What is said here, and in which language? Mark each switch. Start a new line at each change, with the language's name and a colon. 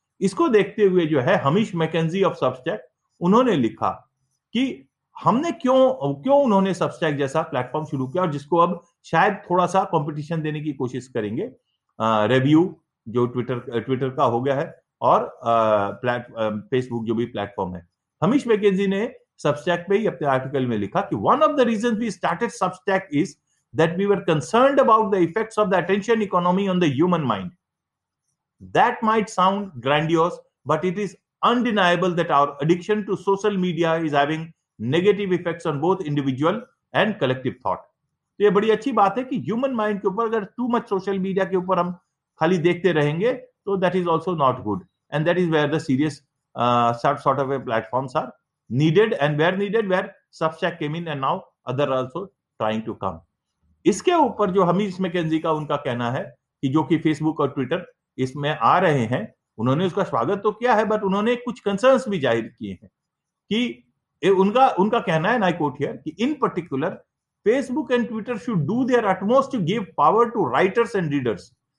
Hindi: इसको देखते हुए जो है हमीश मैकेंजी ऑफ सबस्टैक उन्होंने लिखा कि हमने क्यों उन्होंने सबस्टैक जैसा प्लेटफॉर्म शुरू किया और जिसको अब शायद थोड़ा सा कॉम्पिटिशन देने की कोशिश करेंगे रिव्यू जो ट्विटर का हो गया है और फेसबुक जो भी प्लेटफॉर्म है। हमीश मैकेंजी ने सबस्टैक पे ही अपने आर्टिकल में लिखा कि
English: One of the reason we started Substack is that we were concerned about the effects of the attention economy on the human mind. That might sound grandiose, but it is undeniable that our addiction to social media is having negative effects on both individual and collective thought.
Hindi: तो ये बड़ी अच्छी बात है कि human mind के ऊपर अगर
English: too much social media
Hindi: के ऊपर हम खाली देखते रहेंगे तो
English: that is also not good. And that is where the serious sort of a platforms are needed and where needed, where Substack came in and now other also trying to come.
Hindi: इसके ऊपर जो Hamish McKenzie का उनका कहना है कि जो कि Facebook और Twitter इसमें आ रहे हैं, उन्होंने उसका स्वागत तो किया है बट उन्होंने कुछ कंसर्न्स भी जाहिर किए हैं कि उनका कहना है,
English: I quote here,
Hindi: कि
English: In particular Facebook and Twitter should do their utmost to give power to writers and readers.